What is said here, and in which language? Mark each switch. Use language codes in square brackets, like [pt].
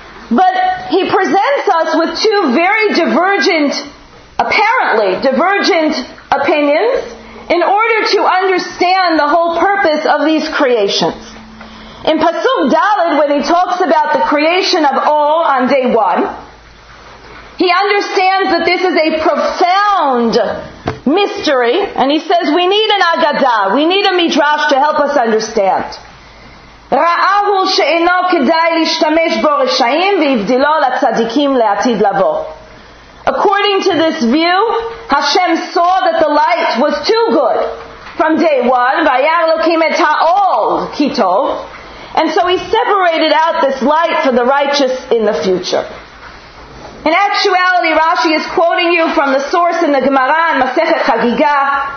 [en] But he presents us with two very divergent, apparently divergent opinions in order to understand the whole purpose of these creations. In Pasuk Dalet, when he talks about the creation of Ol on day 1, he understands that this is a profound mystery, and he says we need an Agadah, we need a Midrash to help us understand. [he] ראהו שאינו כדאי להשתמש בו רשעים והבדילו לצדיקים לעתיד לבוא. [en] According to this view, Hashem saw that the light was too good from day one, [he] v'yar lokim et ha'ol kitov, [en] and so he separated out this light for the righteous in the future. In actuality, Rashi is quoting you from the source in the Gemara in Masechet Chagigah.